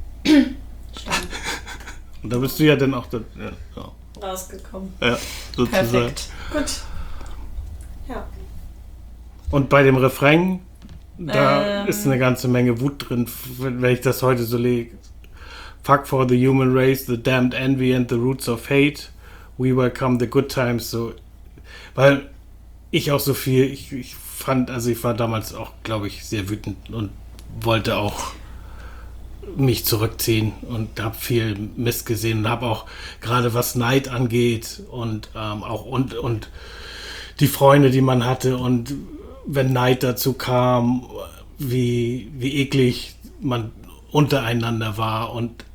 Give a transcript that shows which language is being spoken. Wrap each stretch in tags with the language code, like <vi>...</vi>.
<de>Stimmt. Und da bist du ja dann auch rausgekommen. Ja, sozusagen. Perfekt. Gut. Ja. Und bei dem Refrain, da ist eine ganze Menge Wut drin, wenn ich das heute so lege.</de> <en>Fuck for the human race, the damned envy and the roots of hate. We welcome the good times.</en> <de>So, weil ich auch so viel, ich war damals auch, glaube ich, sehr wütend und wollte auch mich zurückziehen und habe viel Mist gesehen und habe auch gerade was Neid angeht und auch und die Freunde, die man hatte und wenn Neid dazu kam, wie eklig man untereinander war und</de>